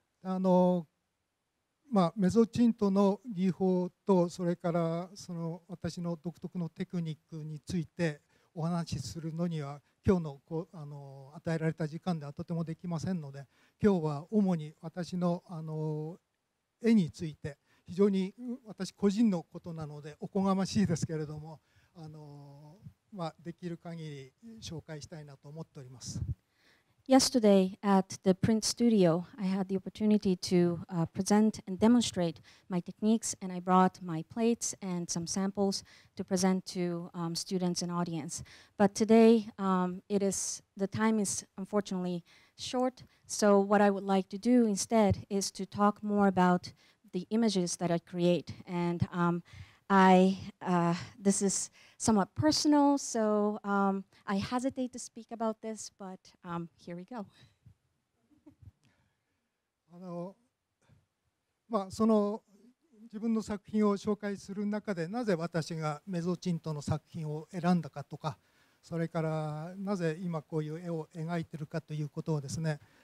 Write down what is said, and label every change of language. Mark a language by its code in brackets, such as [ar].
[ja] まあ、メゾチントの技法とそれからその私の独特のテクニックについてお話しするのには今日の、与えられた時間ではとてもできませんので今日は主に私の、絵について非常に私個人のことなのでおこがましいですけれども、まあ、できる限り紹介したいなと思っております。 [en] Yesterday at the print studio, I had the opportunity to present and demonstrate my techniques, and I brought my plates and some samples to present to students and audience. But today, the time is unfortunately short, so what I would like to do instead is to talk more about the images that I create. And this is somewhat personal, so I hesitate to speak about this, but here we go. [ja] その自分の作品を紹介する中で、なぜ私がメゾチントの作品を選んだかとか、それからなぜ今こういう絵を描いているかということをですね、